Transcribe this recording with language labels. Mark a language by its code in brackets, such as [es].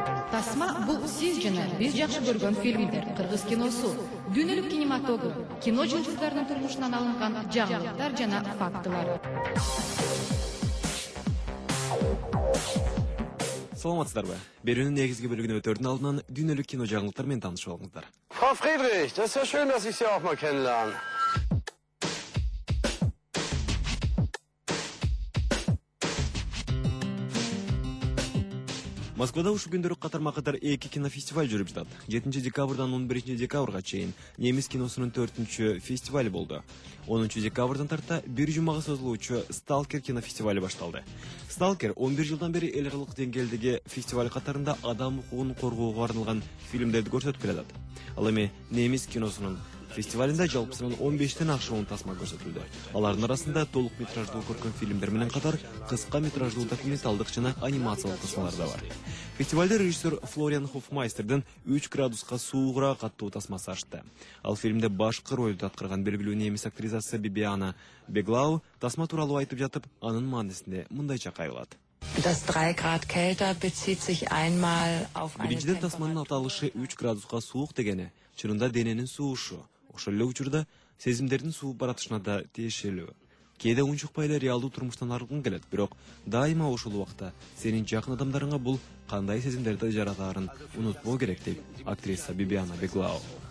[ky] Тасма бул сиз жана биз жакшы көргөн фильмдер, кыргыз киносу, дүйнөлүк кинематограф, кино жылдыздарынын турмушунан алынган жаңылыктар жана фактылар. Саламатсыздарбы? Берүүнүн негизги бөлүгүнө өтөрдүн алдынан дүйнөлүк кино жаңылыктар менен таанышып алыңыздар. [de] Frau Friedrich, das ist ja schön, dass ich Sie auch mal kennenlernen. [ky] Москвада ушул күндөрү катарма-катар 2 кинофестиваль жүрүп жатат. 7 декабрдан 11 декабрга чейин немис киносунун 4-чү фестивалы болду. 10 декабрдан тарта бир жумага созулуучу Сталкер кинофестивалы башталды. Сталкер 11 жылдан бери эл аралык деңгээлдеги фестиваль катарында адам укугун коргоого арналган фильмдерди көрсөтүп келатат. Ал эми немис киносунун фестивалында жалпы саны 15 ашуун тасма көрсөтүлдү. Алардын арасында толук метраждуу көркөм фильмдер менен катар кыска метраждуу документалдык жана анимациялык тасмалар да бар. Фестивалда режиссер Флориан Хофмайстердин 3 градуска суугураак аттуу тасмасы ашты. Ал фильмде башкы ролду аткарган белгилүү немис актрисасы Бибиана Беглау тасма тууралуу айтып жатып, анын маанисинде мындайча кайылат. [de] Das 3 Grad kälter bezieht sich einmal auf eine [ky] Birinchiden tasmanın atalışı 3 градуска суук дегени чынында дененин суушу, ошол эле учурда сезимдердин суу баратышына да тиешелүү. Кээде унчукпай эле реалдуу турмуштан арылгың келет, бирок дайыма ошол убакта сенин жакын адамдарыңа бул кандай сезимдерди жаратарын унутпоо керек, деп актриса Бибиана Беглау.